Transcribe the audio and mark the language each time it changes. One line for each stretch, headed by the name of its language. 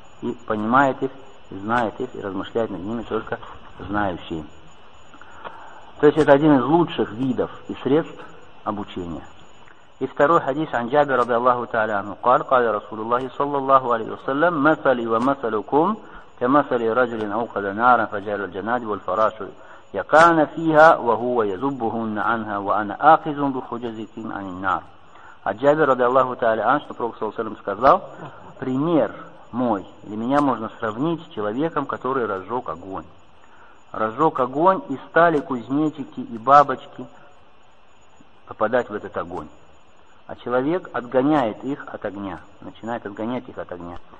Russian: И понимает их, и знает их, и размышляет над ними только знающие. То есть это один из лучших видов и средств обучения. И второй хадис
Arabic: عن جابر رضي الله تعالى عنه قال قال رسول الله صلى الله عليه وسلم مثلي ومثلكم كمثل رجل أوقد نارا فجعل الجناد والفراش يقان فيها وهو يزبهن عنها وأنا آخذ بحجزكم عن النار. عن جابر رضي الله تعالى عنه
Russian: что пророк
Arabic: صلى الله عليه وسلم
Russian: сказал: пример мой, или меня можно сравнить с человеком, который разжег огонь. Разжег огонь, и стали кузнечики и бабочки попадать в этот огонь. А человек отгоняет их от огня, начинает отгонять их от огня.